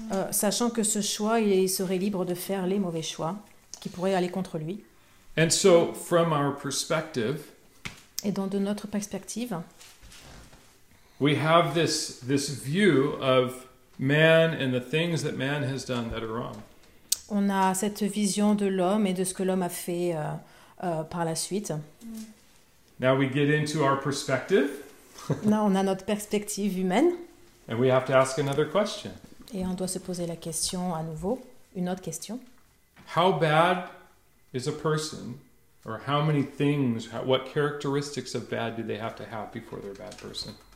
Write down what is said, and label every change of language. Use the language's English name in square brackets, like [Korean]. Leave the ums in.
[French] sachant que ce choix, il serait libre de faire les mauvais choix qui pourraient aller contre lui. [English] And so, from our perspective, [French] et donc de notre perspective, [English] we have this, this view of man and the things that man has done that are wrong. [French] On a cette vision de l'homme et de ce que l'homme a fait uh, uh, par la suite. [English] Now we get into our perspective. [French] Là, on a notre perspective humaine. [English] And we have to ask another question. [French] Et on doit se poser la question à nouveau, une autre question. [English] How bad is a person or how many things what characteristics of bad do they have to have before they're a bad person